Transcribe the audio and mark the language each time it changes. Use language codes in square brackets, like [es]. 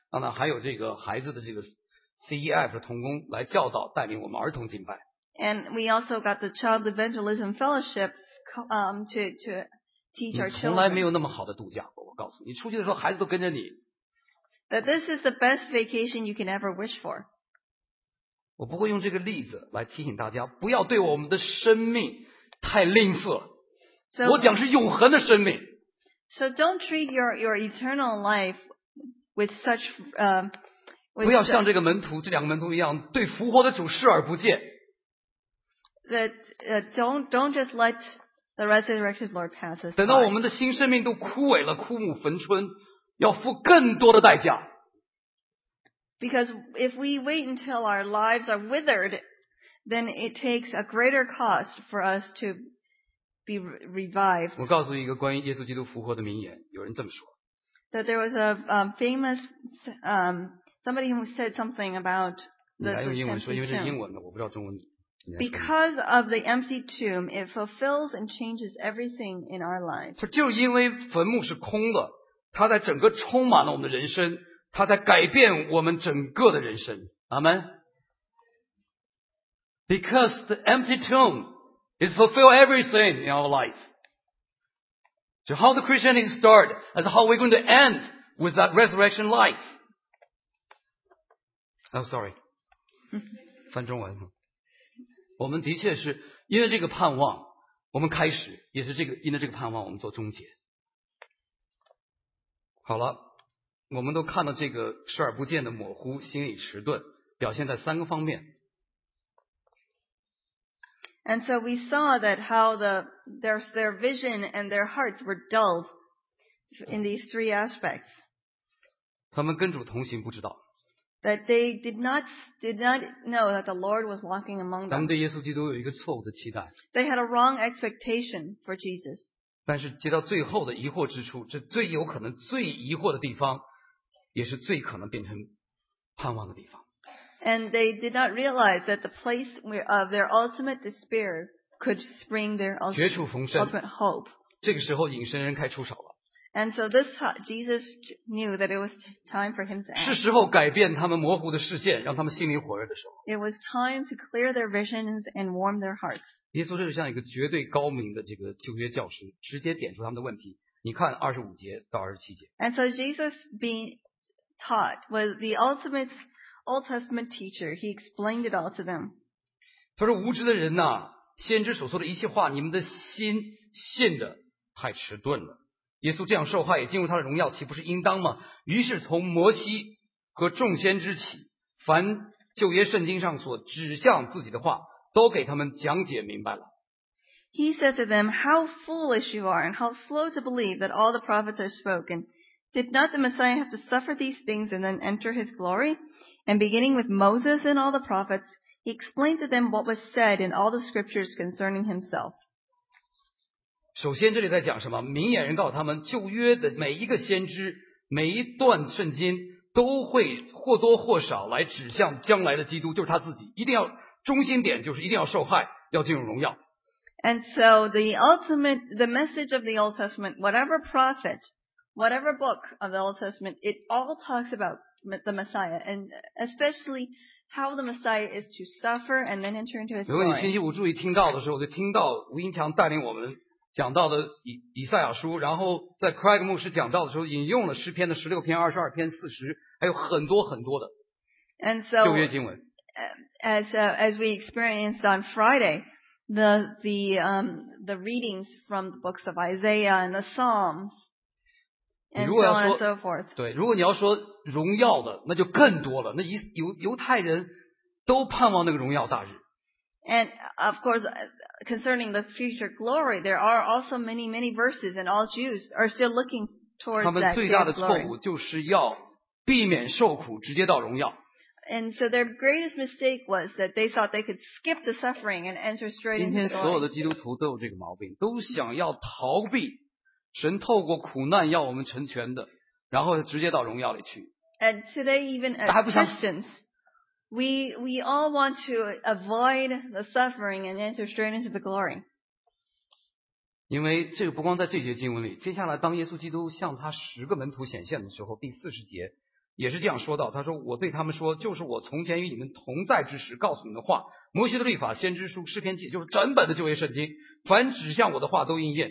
[zh] 当然还有这个孩子的这个 CEF 的同工来教导带领我们儿童敬拜。 [en] And we also got the Child Evangelism Fellowship to teach our children. [zh] 从来没有那么好的度假，我告诉你，你出去的时候孩子都跟着你。 [en] That this is the best vacation you can ever wish for. [zh] 我不会用这个例子来提醒大家，不要对我们的生命太吝啬。 [en] So, [zh] 我讲是永恒的生命。 [en] So don't treat your eternal life with such with [zh] 不要像这个门徒，这两个门徒一样，对复活的主视而不见。 [en] That don't just let the resurrected Lord pass us. [zh] 等到我们的新生命都枯萎了，枯木逢春。要付更多的代价。 [en] Because if we wait until our lives are withered, then it takes a greater cost for us to be revived. [zh] 我告诉一个关于耶稣基督复活的名言，有人这么说。 [en] That there was a famous somebody who said something about the empty tomb. [zh] 用英文说，因为是英文的，我不知道中文。 [en] Because of the empty tomb, it fulfills and changes everything in our lives. [zh] 就因为坟墓是空的。他在整个充满了我们的人生，他在改变我们整个的人生。阿们。 [en] Because the empty tomb is fulfill everything in our life. So how the Christianity start as how we're going to end with that resurrection life. Oh, sorry. [zh] 翻中文。我们的确是因为这个盼望我们开始，也是这个因为这个盼望我们做终结。好了，我们都看到这个视而不见的模糊，心里迟钝，表现在三个方面。 [en] And so we saw that how their vision and their hearts were dulled in these three aspects. [zh] 他们跟主同行不知道。 [en] That they did not know that the Lord was walking among them. [zh] 他们对耶稣基督有一个错误的期待。 [en] They had a wrong expectation for Jesus. [zh] 但是接到最后的疑惑之处，这最有可能最疑惑的地方，也是最可能变成盼望的地方。 [en] And they did not realize that the place of their ultimate despair could spring their ultimate hope. [zh] 这个时候，隐身人该出手了。 [en] And so this Jesus knew that it was time for him to act. [zh] 是时候改变他们模糊的视线，让他们心里火热的时候。 [en] It was time to clear their visions and warm their hearts. [zh] 耶稣这是像一个绝对高明的这个旧约教师，直接点出他们的问题。你看二十五节到二十七节。 [en] And so Jesus being taught was the ultimate Old Testament teacher. He explained it all to them. [zh] 他说：“无知的人呐、啊，先知所说的一切话，你们的心信的太迟钝了。耶稣这样受害也进入他的荣耀，岂不是应当吗？于是从摩西和众先知起，凡旧约圣经上所指向自己的话。” 都给他们讲解明白了。 [en] He said to them, "How foolish you are, and how slow to believe that all the prophets are spoken. Did not the Messiah have to suffer these things and then enter his glory? And beginning with Moses and all the prophets, he explained to them what was said in all the scriptures concerning himself." [zh] 首先，这里在讲什么？明眼人告诉他们，旧约的每一个先知，每一段圣经，都会或多或少来指向将来的基督，就是他自己，一定要。中心点就是一定要受害，要进入荣耀。 [en] And so the message of the Old Testament, whatever prophet, whatever book of the Old Testament, it all talks about the Messiah, and especially how the Messiah is to suffer and then enter into his glory. [zh] 如果你星期五注意听到的时候，就听到吴英强带领我们讲到的以赛亚书，然后在 Craig 牧师讲到的时候，引用了诗篇的十六篇、二十二篇、四十，还有很多很多的旧约经文。 [en] As we experienced on Friday, the readings from the books of Isaiah and the Psalms, and so on and so forth. [zh] 对，如果你要说荣耀的，那就更多了。那犹太人都盼望那个荣耀大日。 [en] And of course, concerning the future glory, there are also many, many verses, and all Jews are still looking towards that glory. [zh] 他们最大的错误就是要避免受苦，直接到荣耀。 [en] And so their greatest mistake was that they thought they could skip the suffering and enter straight into the glory. [zh] 今天所有的基督徒都有这个毛病，都想要逃避神透过苦难要我们成全的，然后直接到荣耀里去。 [en] And today, even as Christians, we all want to avoid the suffering and enter straight into the glory. [zh] 因为这个不光在这节经文里，接下来当耶稣基督向他十个门徒显现的时候，第四十节。也是这样说到，他说我对他们说，就是我从前与你们同在之时告诉你们的话，摩西的律法、先知书、诗篇记，就是整本的旧约圣经，凡指向我的话都应验。